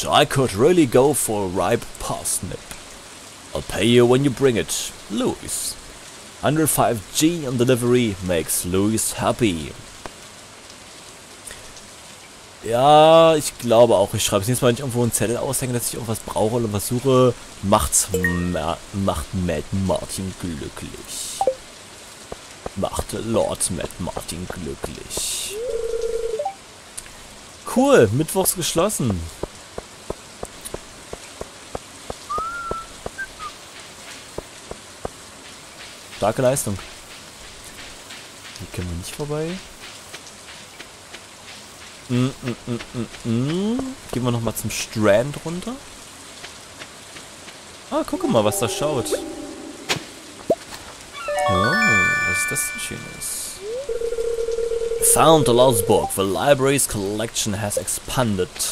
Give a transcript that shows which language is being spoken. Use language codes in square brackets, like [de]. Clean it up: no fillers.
[en] I could really go for a ripe parsnip. I'll pay you when you bring it. Louis. 105G on delivery makes Louis happy. [de] Ja, ich glaube auch. Ich schreibe es jetzt mal nicht irgendwo einen Zettel aushängen, dass ich irgendwas brauche oder was suche. Macht Matt Martin glücklich. Macht Lord Matt Martin glücklich. Cool, mittwochs geschlossen. Starke Leistung. Hier können wir nicht vorbei. Gehen wir nochmal zum Strand runter. Ah, guck mal, was da schaut. Oh, was ist das denn schönes? [en] Found the lost book. The library's collection has expanded.